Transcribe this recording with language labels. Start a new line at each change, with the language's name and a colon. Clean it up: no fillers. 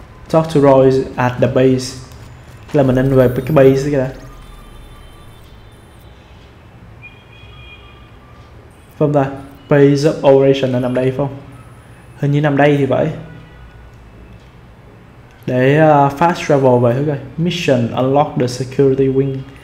English: Talk to Royce at the base.
Vietnamese: Thế là mình nên về cái base kia đã. Không ta, base of operation là nằm đây không? Hình như nằm đây thì vậy. Để fast travel về thôi coi.
English: Mission unlock the security wing.